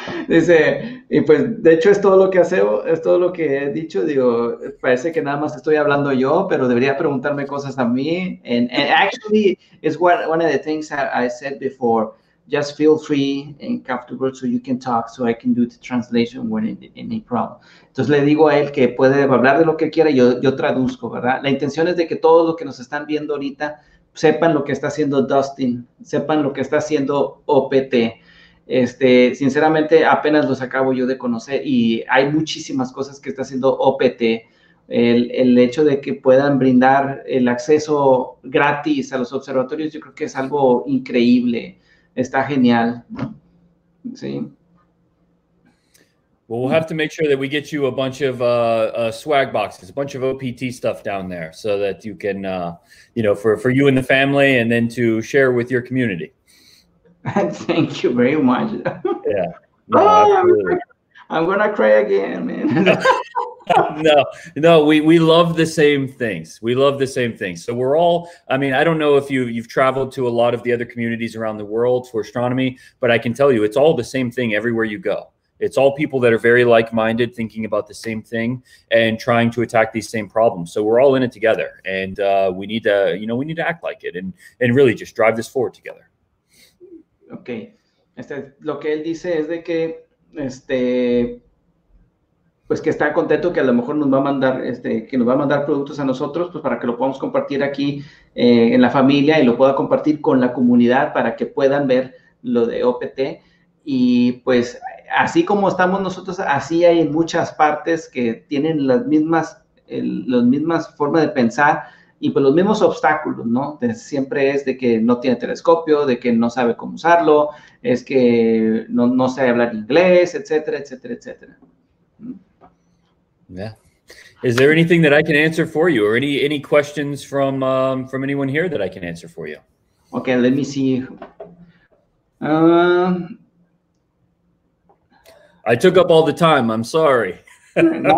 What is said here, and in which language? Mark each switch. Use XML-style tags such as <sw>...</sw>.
<es>Dice, y pues de hecho es todo lo que hacemos, es todo lo que he dicho, digo, parece que nada más estoy hablando yo, pero debería preguntarme cosas a mí.</es> <en>And actually, it's one of the things I said before, just feel free and comfortable so you can talk so I can do the translation when any problem.</en> <es>Entonces le digo a él que puede hablar de lo que quiera y yo traduzco, ¿verdad? La intención es de que todos los que nos están viendo ahorita sepan lo que está haciendo Dustin, sepan lo que está haciendo OPT. Sinceramente, apenas los acabo yo de conocer y hay muchísimas cosas que está haciendo OPT. El hecho de que puedan brindar el acceso gratis a los observatorios, yo creo que es algo increíble. Está genial. Sí.</es> <en>Well, we'll have to make sure that we get you a bunch of swag boxes, a bunch of OPT stuff down there, so that you can, for you and the family, and then to share with your community. Thank you very much. Yeah, no, Oh, absolutely. I'm gonna cry again, No, we love the same things. We love the same things. So we're all, I mean, I don't know if you've traveled to a lot of the other communities around the world for astronomy, but I can tell you it's all the same thing everywhere you go. It's all people that are very like-minded, thinking about the same thing and trying to attack these same problems. So we're all in it together, and we need to, we need to act like it and really just drive this forward together.</en> <es>Ok, lo que él dice es de que, pues que está contento que a lo mejor nos va a mandar, que nos va a mandar productos a nosotros, pues para que lo podamos compartir aquí en la familia y lo pueda compartir con la comunidad para que puedan ver lo de OPT. Y pues así como estamos nosotros, así hay muchas partes que tienen las mismas formas de pensar. Y pues los mismos obstáculos, ¿no? Siempre es de que no tiene telescopio, de que no sabe cómo usarlo, es que no sabe hablar inglés, etcétera, etcétera, etcétera.</es> <en>Yeah. Is there anything that I can answer for you, or any questions from anyone here that I can answer for you? Okay, let me see. I took up all the time. I'm sorry. No, I'm</en>